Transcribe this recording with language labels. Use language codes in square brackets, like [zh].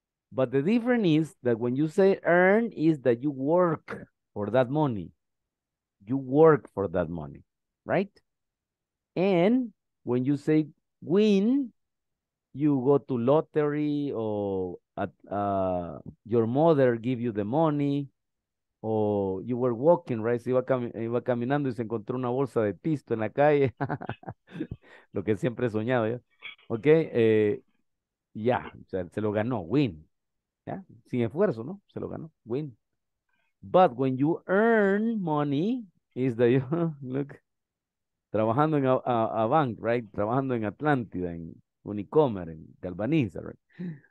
[en] But the difference is that when you say earn is that you work for that money. You work for that money, right? And when you say win, you go to lottery or your mother give you the money or you were walking, right? [es] Se iba caminando y se encontró una bolsa de pisto en la calle. Lo que siempre he soñado, ¿eh? Okay, yeah, o sea, se lo ganó, win. Yeah? Sin esfuerzo, ¿no? Se lo ganó, win. [en] But when you earn money, is that you, look, [es] trabajando en [en] a bank, right? [es] Trabajando en Atlántida, en Unicomer, en Galvaniza, right?